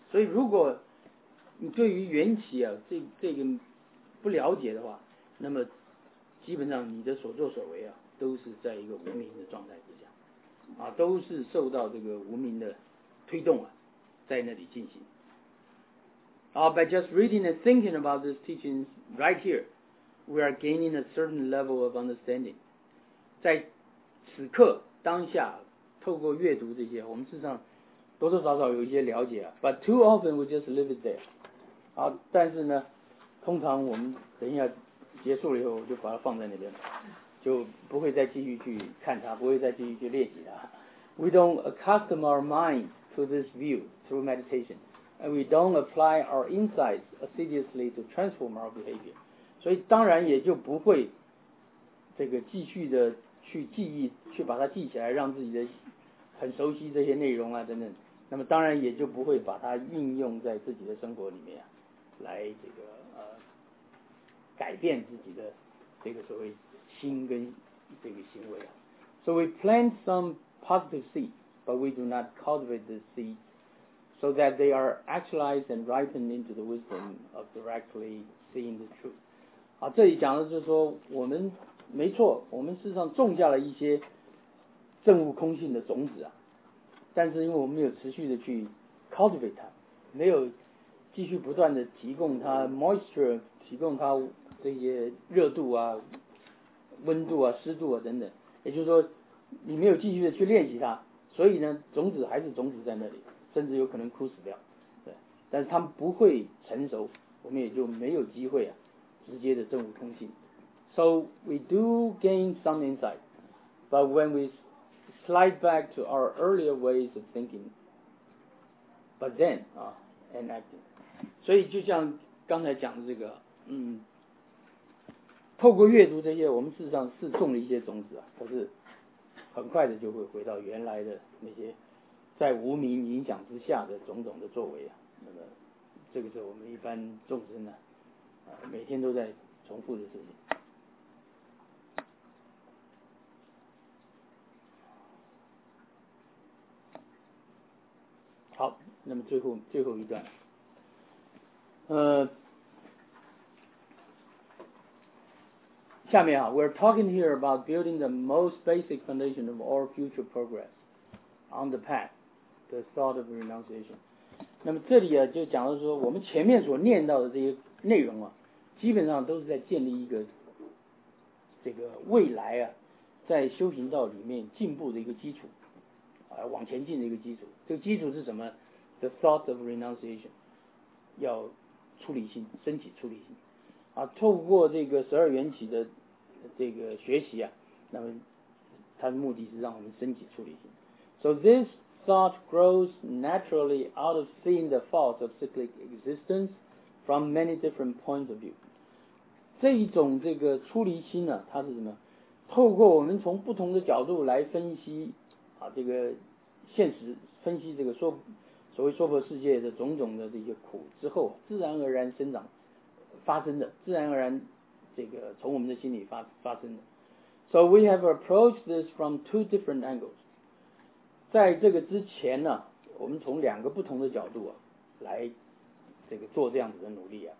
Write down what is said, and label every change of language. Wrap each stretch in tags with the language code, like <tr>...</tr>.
<zh>所以如果你对于缘起啊这个不了解的话，那么基本上你的所作所为啊都是在一个无明的状态之下啊，都是受到这个无明的推动啊在那里进行。</zh> <en>By just reading and thinking about this teaching right here, we are gaining a certain level of understanding.</en> <zh>在此刻当下，透过阅读这些，我们事实上多多少少有一些了解啊。</zh> <en>But too often we just leave it there.</en> <zh>啊，但是呢，通常我们等一下结束了以后，就把它放在那边了，就不会再继续去看它，不会再继续去练习它。</zh> <en>We don't accustom our mind to this view through meditation. and we don't apply our insights assiduously to transform our behavior.</en> <zh>所以当然也就不会这个继续的去记忆，去把它记起来，让自己的很熟悉这些内容啊等等。那么当然也就不会把它运用在自己的生活里面啊，来这个改变自己的这个所谓心跟这个行为啊。</zh> <en>So we plant some positive seeds, but we do not cultivate the seeds so that they are actualized and ripened into the wisdom of directly seeing the truth.</en> <zh>啊，这里讲的是说我们没错，我们事实上种下了一些证悟空性的种子啊，但是因为我们没有持续的去 cultivate 它，没有继续不断的提供它 moisture， 提供它这些热度啊、温度啊、湿度啊等等，也就是说你没有继续的去练习它，所以呢种子还是种子在那里，甚至有可能枯死掉，对，但是它们不会成熟，我们也就没有机会啊直接的证悟空性。</zh> <en>So we do gain some insight, but when we slide back to our earlier ways of thinking, but then, and acting.</en> <zh>所以就像刚才讲的这个，透过阅读这些，我们事实上是种了一些种子啊，可是很快的就会回到原来的那些在无明影响之下的种种的作为啊。那么这个是我们一般众生呢，每天都在重复的事情。好，那么最后一段，下面啊</zh> <en>we're talking here about building the most basic foundation of all future progress on the path, the thought of renunciation.</en> <zh>那么这里啊就讲到说我们前面所念到的这些内容啊，基本上都是在建立一个这个未来啊在修行道里面进步的一个基础啊，往前进的一个基础。这个基础是什么？</zh> <en>The thought of renunciation,</en> <zh>要出离心，升起出离心啊，透过这个十二缘起的这个学习啊，那么它的目的是让我们升起出离心。</zh> <en>So this thought grows naturally out of seeing the faults of cyclic existence from many different points of view.</en> <zh>这一种这个出离心呢，它是什么？透过我们从不同的角度来分析啊，这个现实，分析这个所谓娑婆世界的种种的这些苦之后，自然而然生长发生的，自然而然这个从我们的心里发生的。</zh> <en>So we have approached this from two different angles.</en> <zh>在这个之前呢，我们从两个不同的角度啊来这个做这样子的努力啊。</zh>